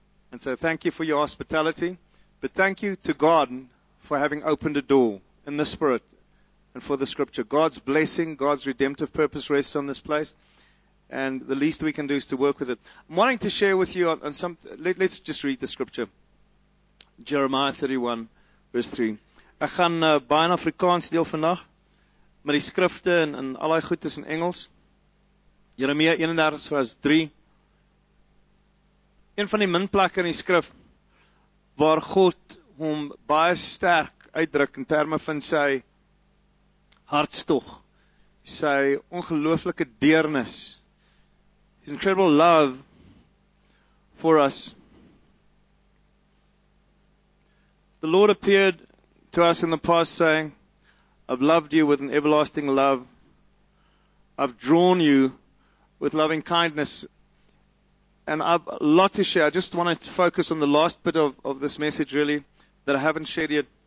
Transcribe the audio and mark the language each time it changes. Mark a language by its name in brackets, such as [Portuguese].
[English] And so thank you for your hospitality. But thank you to God for having opened a door in the Spirit and for the Scripture. God's blessing, God's redemptive purpose rests on this place. And the least we can do is to work with it. I'm wanting to share with you on some. Let's just read the Scripture. Jeremiah 31, verse 3. [Afrikaans] Ek gaan baie in Afrikaans deel vandag, maar die Skrifte en al die goed is in Engels. Jeremia 31, vers 3. Een van die minplekke in die Skrif, waar God hom baie sterk uitdruk in terme van sy hartstog, sy ongelooflike deernis, [English] His incredible love for us. The Lord appeared to us in the past saying, I've loved you with an everlasting love. I've drawn you with loving kindness. And I've a lot to share. I just wanted to focus on the last bit of this message really that I haven't shared yet.